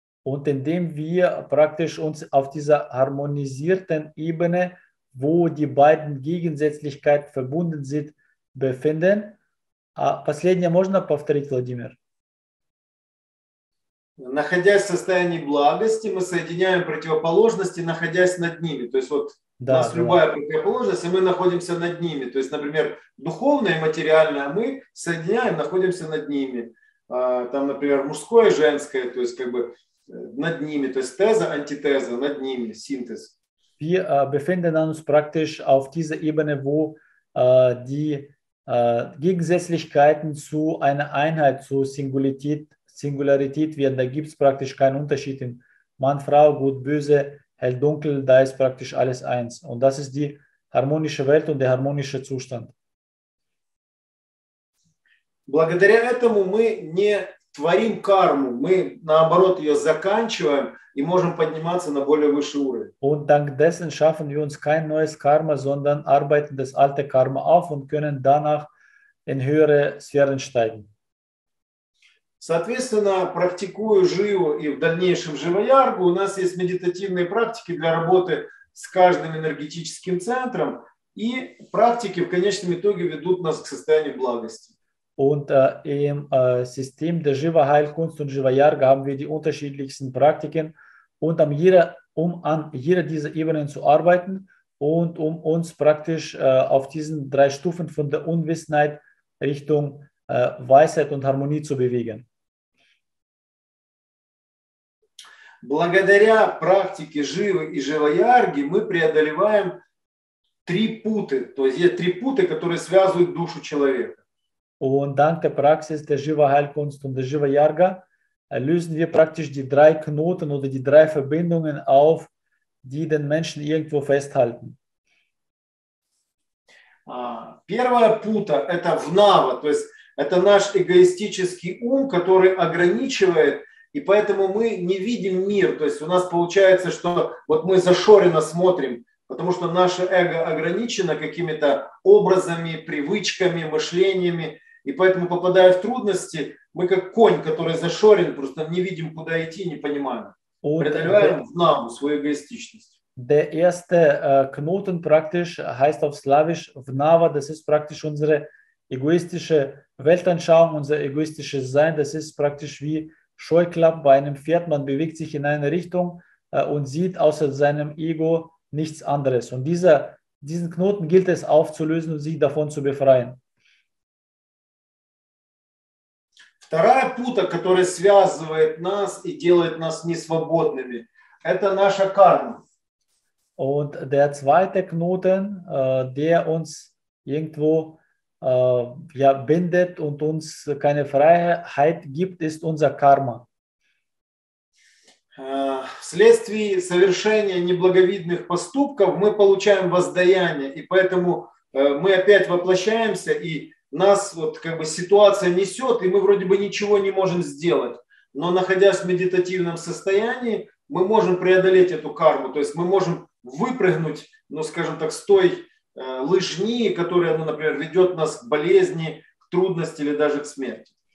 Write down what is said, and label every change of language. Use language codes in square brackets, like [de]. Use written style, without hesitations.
[de] Und indem wir praktisch uns auf dieser harmonisierten Ebene, wo die beiden Gegensätzlichkeiten verbunden sind, befinden. [ru] Последнее можно повторить, Владимир? Находясь в состоянии благости, мы соединяем противоположности, находясь над ними. То есть вот да, у нас да. Любая противоположность, и мы находимся над ними. То есть, например, духовное и материальное мы соединяем, находимся над ними. Там, например, мужское и женское, то есть как бы над ними, то есть теза, антитеза, над ними, синтез. [de] Wir befinden uns praktisch auf dieser Ebene, wo die Gegensätzlichkeiten zu einer Einheit, zu Singularität werden. Da gibt es praktisch keinen Unterschied in Mann, Frau, Gut, Böse, Hell, Dunkel, da ist praktisch alles eins. Und das ist die harmonische Welt und der harmonische Zustand. [ru] Благодаря этому мы не творим карму, мы наоборот ее заканчиваем и можем подниматься на более высший уровень. [de] Und dank dessen schaffen wir uns kein neues Karma, sondern arbeiten das alte Karma auf und können danach in höhere Sphären steigen. [ru] Соответственно, практикуя живу и в дальнейшем живоярку, у нас есть медитативные практики для работы с каждым энергетическим центром, и практики в конечном итоге ведут нас к состоянию благости. [de] Und im System der Jiva-Heilkunst und Jiva-Yarga haben wir die unterschiedlichsten Praktiken, und an jeder dieser Ebenen zu arbeiten und um uns praktisch auf diesen drei Stufen von der Unwissenheit Richtung Weisheit und Harmonie zu bewegen. [ru] Благодаря практике Живы и Живаярги мы преодолеваем три путы, то есть три путы, которые связывают душу человека. [de] Und dank der Praxis der Jiva-Heilkunst und der Jiva-Yarga lösen wir praktisch die drei Knoten oder die drei Verbindungen auf, die den Menschen irgendwo festhalten. [ru] Первая пута – это внава, то есть это наш эгоистический ум, который ограничивает, и поэтому мы не видим мир, то есть у нас получается, что вот мы зашоренно смотрим, потому что наше эго ограничено какими-то образами, привычками, мышлениями, И поэтому, попадая в трудности, мы как конь, который зашорен, просто не видим, куда идти, не понимаем. Преодолеваем в нам свою эгоистичность. [de] Der erste Knoten praktisch heißt auf Slawisch Vnava, das ist praktisch unsere egoistische Weltanschauung, unser egoistisches Sein, das ist praktisch wie Scheuklappen bei einem Pferd, man bewegt sich in eine Richtung und sieht außer seinem Ego nichts anderes. Und diesen Knoten gilt es aufzulösen und sich davon zu befreien. [ru] Вторая пута, которая связывает нас и делает нас несвободными, это наша карма. [de] Und der zweite Knoten, der uns irgendwo ja, bindet und uns keine Freiheit gibt, ist unser Karma. [ru] Вследствие совершения неблаговидных поступков мы получаем воздаяние, и поэтому мы опять воплощаемся, и нас вот как бы ситуация несет, и мы вроде бы ничего не можем сделать. Но находясь в медитативном состоянии, мы можем преодолеть эту карму, то есть мы можем выпрыгнуть, ну, скажем так, с той лыжни, которая, ну, например, ведет нас к болезни, к трудности или даже к смерти.